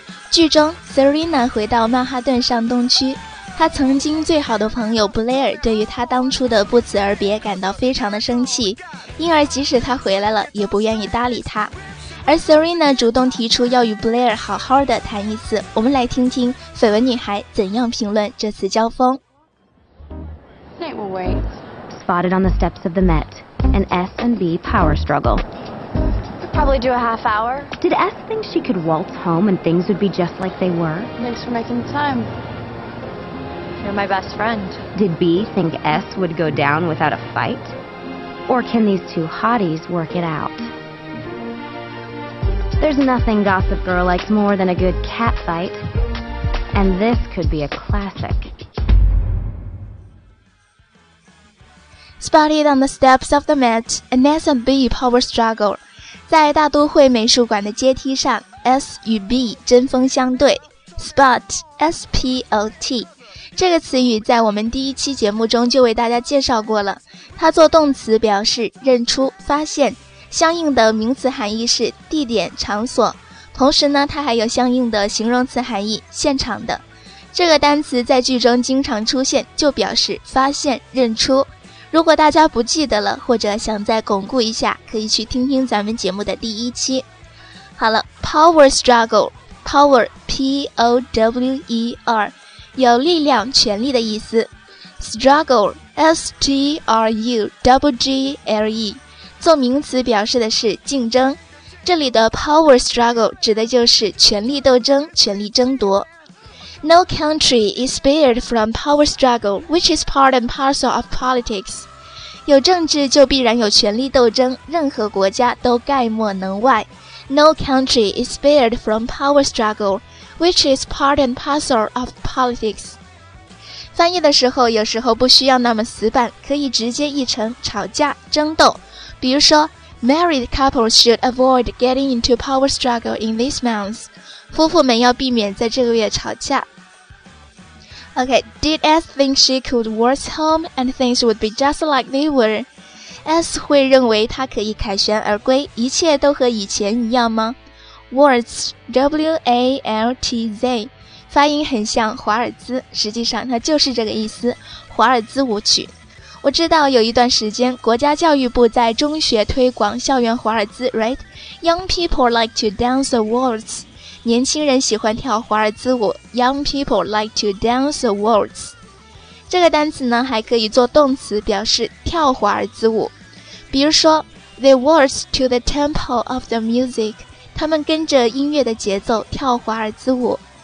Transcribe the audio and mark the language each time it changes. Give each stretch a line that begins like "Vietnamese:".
Chinese: 剧中 Serena 回到曼哈顿上东区，她曾经最好的朋友 Blair 对于她当初的不辞而别感到非常的生气，因而即使她回来了也不愿意搭理她，而 Serena 主动提出要与 Blair 好好的谈一次。我们来听听绯闻女孩怎样评论这次交锋。
English: Nate will wait. Spotted on the steps of the Met, an S&B power struggle. Probably do a half hour. Did S think she could waltz home and things would be just like they were? Thanks for making the time. You're my best friend. Did B think S would go down without a fight? Or can these two hotties work it out? There's nothing Gossip Girl likes more than a good cat fight. And this could be a classic. Spotted on the steps of the Met, an S&B power struggle.
Chinese: 在大都会美术馆的阶梯上， S 与 B 针锋相对。 Spot, S-P-O-T 这个词语在我们第一期节目中就为大家介绍过了，它做动词表示认出、发现，相应的名词含义是地点、场所，同时呢，它还有相应的形容词含义，现场的。这个单词在剧中经常出现，就表示发现、认出。如果大家不记得了，或者想再巩固一下，可以去听听咱们节目的第一期。好了， Power Struggle， Power P-O-W-E-R 有力量、权力的意思。 Struggle S-T-R-U-G-G-L-E 做名词表示的是竞争，这里的 Power Struggle 指的就是权力斗争、权力争夺。
English: No country is spared from power struggle, which is part and parcel of politics.
Chinese: 有政治就必然有权力斗争，任何国家都概莫能外。
English: No country is spared from power struggle, which is part and parcel of politics.
Chinese: 翻译的时候有时候不需要那么死板，可以直接译成吵架、争斗。比如说，
English: Married couples should avoid getting into power struggle in this month.
Chinese: 夫妇们要避免在这个月吵架。
English: OK, did S think she could waltz home and things would be just like they were?
Chinese: S 会认为她可以凯旋而归，一切都和以前一样吗？ Waltz, W-A-L-T-Z 发音很像华尔兹，实际上它就是这个意思，华尔兹舞曲。我知道有一段时间国家教育部在中学推广校园华尔兹， right?
English: Young people like to dance the waltz.
Chinese: 年轻人喜欢跳华尔兹舞，
English: Young people like to dance the waltz.
Chinese: 这个单词呢还可以做动词表示跳华尔兹舞。比如说，
English: They waltz to the tempo of the music.
Chinese: 他们跟着音乐的节奏跳华尔兹舞。